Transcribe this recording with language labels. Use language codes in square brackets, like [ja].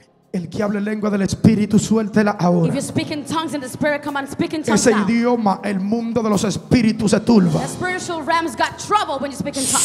[es] El que hable lengua del espíritu suéltela ahora. [en] If you speak in tongues in the spirit, come on, speak in tongues [es] ese [en] now. [es] Idioma, el mundo de los espíritus se turba. [en] The spiritual realms got trouble when you speak in tongues.